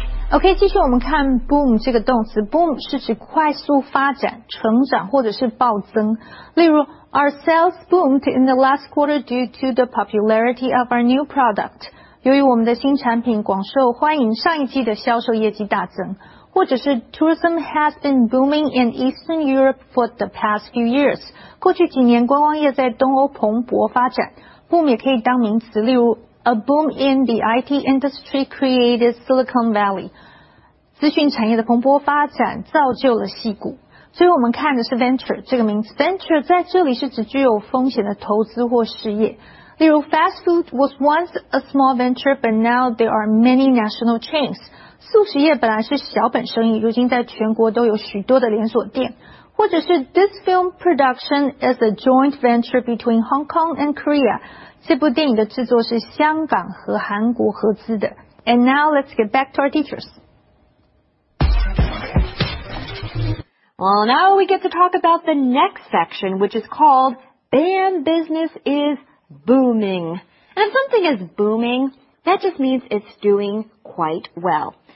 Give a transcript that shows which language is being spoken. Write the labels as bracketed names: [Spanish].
[Chinese] OK, 继续我们看 boom 这个动词。boom 是指快速发展、成长或者是暴增。例如 [English] ,our sales boomed in the last quarter due to the popularity of our new product. [Chinese] 由于我们的新产品广受欢迎，上一季的销售业绩大增。或者是 [English] tourism has been booming in Eastern Europe for the past few years. [Chinese] 过去几年观光业在东欧蓬勃发展。 [English] boom [Chinese] 也可以当名词，例如 [English] A boom in the IT industry created Silicon Valley. [Chinese] 资讯产业的蓬勃发展造就了矽谷。所以我们看的是 venture 这个名词。 venture 在这里是指具有风险的投资或事业。例如 [English] fast food was once a small venture, but now there are many national chains. [Chinese] 素食业本来是小本生意，如今在全国都有许多的连锁店。或者是 [English] this film production is a joint venture between Hong Kong and Korea. [Chinese] 这部电影的制作是香港和韩国合资的。 [English] And now let's get back to our teachers. Well, now we get to talk about the next section, which is called BAM Business is Booming. And if something is booming, that just means it's doing quite well.